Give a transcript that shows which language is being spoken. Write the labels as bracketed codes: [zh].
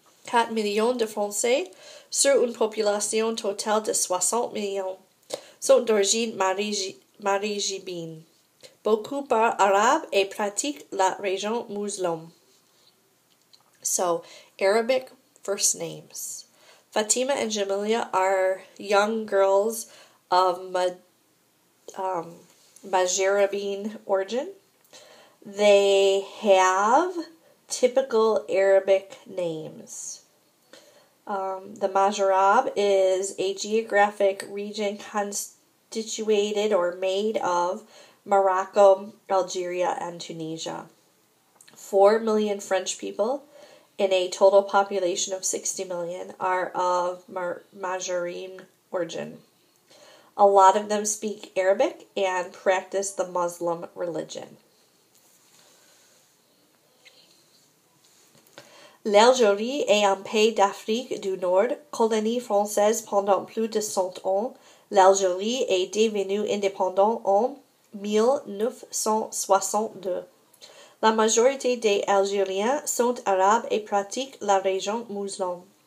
[fr] 4 millions de Français sur une population totale de 60 millions sont d'origine maghrébine. Beaucoup parlent arabe et pratiquent la religion musulmane. [en] So, Arabic first names. Fatima and Jamila are young girls of Maghrebine origin. They have typical Arabic names. The Maghreb is a geographic region constituted or made of Morocco, Algeria, and Tunisia. 4 million French people in a total population of 60 million are of Maghrebine origin. A lot of them speak Arabic and practice the Muslim religion. [fr] L'Algérie est un pays d'Afrique du Nord, colonie française pendant plus de 100 ans. L'Algérie est devenue indépendante en 1962. La majorité des Algériens sont arabes et pratiquent la religion musulmane.